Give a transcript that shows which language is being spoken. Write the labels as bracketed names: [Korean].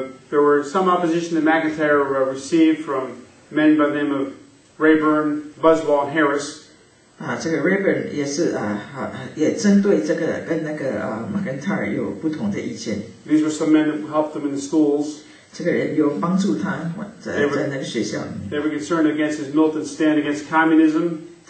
[English] There were some opposition that McIntyre received from men by the name of Rayburn, Buswell, and Harris. [Chinese] 这个Rayburn也是针对这个跟那个McIntyre有不同的意见。 [English] These were some men that helped them in the schools. [Chinese] 这个人有帮助他在那个学校。 [English] They were concerned against his militant stand against communism.